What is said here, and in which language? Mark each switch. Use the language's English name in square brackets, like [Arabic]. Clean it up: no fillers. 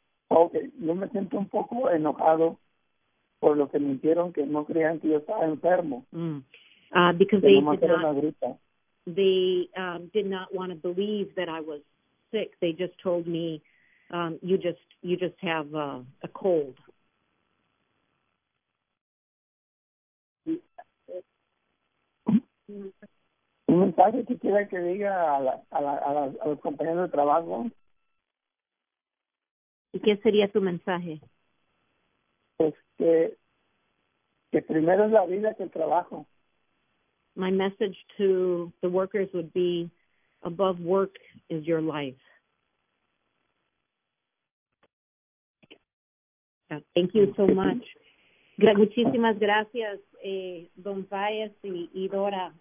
[Spanish] Okay, yo me siento un poco enojado por lo que me hicieron, que no creían que yo estaba enfermo. [English] Because they did not want to believe that I was sick. They just told me, you just have a cold. [Spanish] Un mensaje que quiera que diga a los compañeros de trabajo. ¿Y qué sería tu mensaje? Pues que primero es la vida que el trabajo. [English] My message to the workers would be, above work is your life. Thank you so much. [Spanish] Muchísimas gracias, Don Baez y Dora.